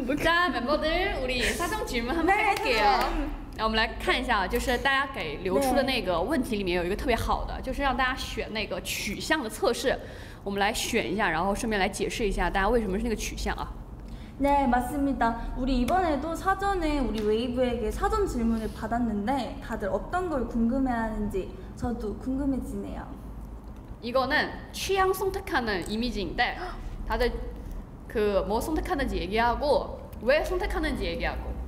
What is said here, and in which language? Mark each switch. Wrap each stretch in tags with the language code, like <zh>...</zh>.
<ko>자, 멤버들 우리 사정 질문 한번 해볼게요.</ko> <zh>我们来看一下就是大家给流出的那个问题里面有一个特别好的就是让大家选那个取向的测试我们来选一下然后顺便来解释一下大家为什么是那个取向啊</zh> <ko>네, 맞습니다. 우리 이번에도 사전에 우리 웨이브에게 사전 질문을 받았는데 다들 어떤 걸 궁금해하는지 저도 궁금해지네요. 이거는 취향 선택하는 이미지인데 다들 그 뭐 선택하는지 얘기하고 왜 선택하는지 얘기하고.</ko>